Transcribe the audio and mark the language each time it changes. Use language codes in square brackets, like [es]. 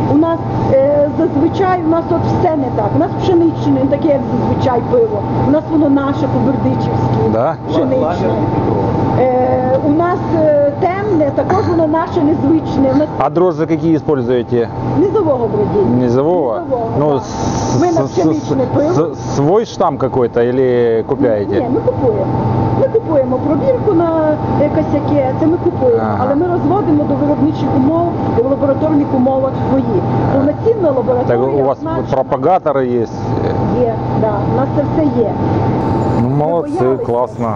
[uk] У нас зазвичай, у нас от все не так. У нас пшеничне, таке як зазвичай пиво. У нас воно наше, кубердичівське, да? Пшеничне. У нас темне, також воно наше, незвичне. А дрожжі які використовуєте? Низового бродіння. Низового? Ну, да. Ми на пшеничне пиво. [ru] Свой штам какой-то или [uk] купляєте? Ні, ми купуємо. Ми купуємо пробірку на якесь яке, це ми купуємо. Ага. Але ми розводимо до виробничих умов, в лабораторних умовах свої. Повноцінна лабораторія. Так у вас значна. Пропагатори є? Є, да. У нас це все є. Ну, молодці, ми боялися, класно.